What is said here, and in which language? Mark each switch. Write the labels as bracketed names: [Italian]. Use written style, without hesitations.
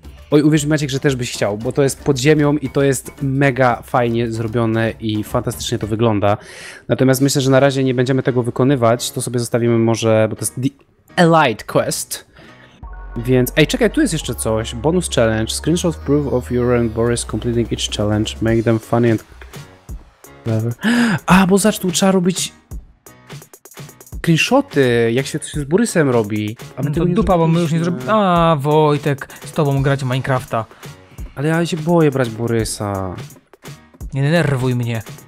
[Polish] Oj, uwierz mi, Maciek, że też byś chciał, bo to jest pod ziemią i to jest mega fajnie zrobione i fantastycznie to wygląda. Natomiast myślę, że na razie nie będziemy tego wykonywać, to sobie zostawimy może, bo to jest... The Elite Quest. Więc, ej, czekaj, tu jest jeszcze coś. [English] Bonus challenge. Screenshot proof of your and Boris completing each challenge. Make them funny and clever. [Polish] A, bo zacz, tu trzeba robić screenshoty, jak się coś z Borysem robi. A my no to dupa, bo my już nie zrobimy. A, Wojtek, z tobą grać Minecrafta. Ale ja się boję brać Borysa. Nie denerwuj mnie.